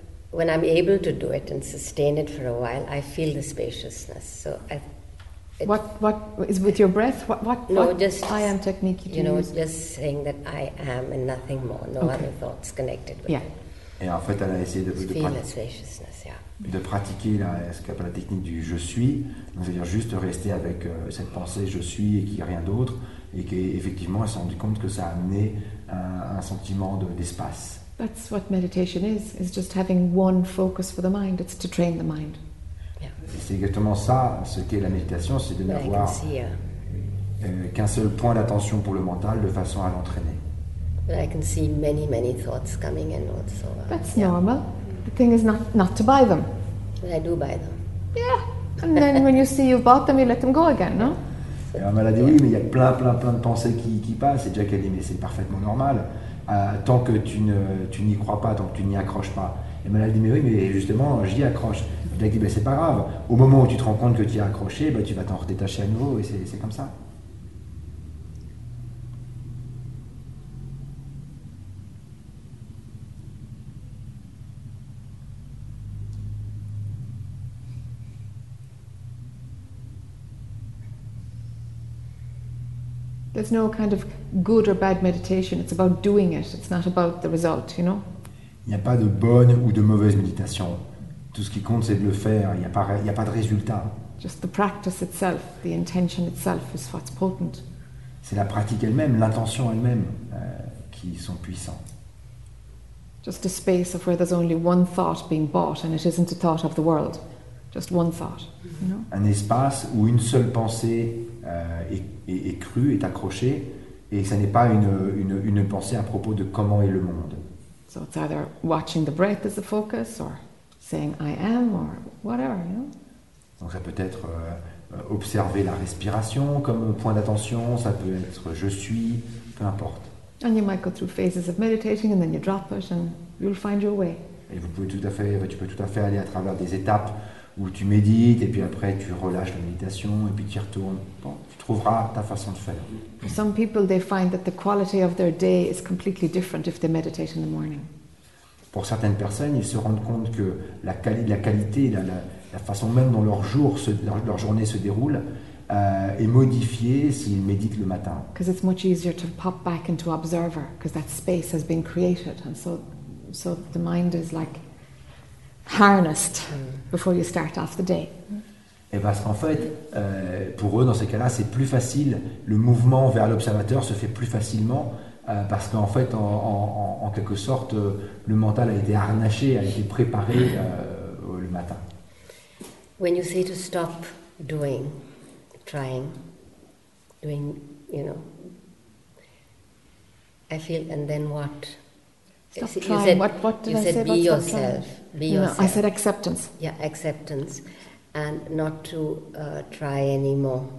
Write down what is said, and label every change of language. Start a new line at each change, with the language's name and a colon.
English: When I'm able to do it and sustain it for a while, I feel the spaciousness. So I. What is with your breath? What I am technique you do? You know, use? Just saying that I am and nothing more, no other thoughts connected with it.
French: Et en fait, elle a essayé de
English: feel the spaciousness, yeah.
French: De pratiquer ce qu'on appelle la technique du je suis, c'est-à-dire juste rester avec cette pensée je suis et qu'il n'y a rien d'autre, et qu'effectivement, elle s'est rendue compte que ça a amené un sentiment d'espace.
English: That's what meditation is just having one focus for the mind, it's to train the mind.
French: Et c'est exactement ça, ce qu'est la méditation, c'est de n'avoir qu'un seul point d'attention pour le mental, de façon à l'entraîner.
English: But I can see many, many thoughts coming in also. That's normal. The thing is not to buy them. But I do buy them. Yeah. And then when you see you've bought them, you let them go again, no?
French: Et on m'a dit oui, mais il y a plein de pensées qui passent. Et Jack a dit mais c'est parfaitement normal. Tant que tu n'y crois pas, tant que tu n'y accroches pas. Et elle m'a dit mais oui, mais justement j'y accroche. Jack dit, ben c'est pas grave, au moment où tu te rends compte que tu y es accroché, ben tu vas t'en redétacher à nouveau, et c'est comme ça.
English: There's no kind of good or bad meditation. It's about doing it. It's not about the result, you know?
French: Il n'y a pas de bonne ou de mauvaise méditation. Tout ce qui compte, c'est de le faire. Il n'y a pas de résultat.
English: Just the practice itself, the intention itself is what's potent.
French: C'est la pratique elle-même, l'intention elle-même, qui sont puissants.
English: Just a space of where there's only one thought being bought and it isn't a thought of the world. Just one thought, you know?
French: Un espace où une seule pensée est crue, est accrochée, et ce n'est pas une pensée à propos de comment est le monde.
English: So it's either watching the breath as the focus, or saying I am, or whatever, you know?
French: Donc ça peut être observer la respiration comme point d'attention, ça peut être je suis, peu importe.
English: And you might go through phases of meditating and then you drop it and you'll find your way.
French: Et tu peux tout à fait aller à travers des étapes où tu médites et puis après tu relâches la méditation et puis tu y retournes. Bon, tu trouveras ta façon de faire.
English: For some people they find that the quality of their day is completely different if they meditate in the morning.
French: Pour certaines personnes, ils se rendent compte que la qualité, la façon même dont leur journée se déroule est modifiée s'ils méditent le matin.
English: Because it's much easier to pop back into observer because that space has been created and so the mind is like harnessed before you start off the day.
French: Et parce qu'en fait, pour eux, dans ces cas-là, c'est plus facile. Le mouvement vers l'observateur se fait plus facilement parce qu'en fait, en quelque sorte, le mental a été harnaché, a été préparé le matin.
English: When you say to stop doing, trying, doing, you know, I feel, and then what? Stop trying. You said, be yourself. No, I said acceptance. Yeah, acceptance. And not to try anymore.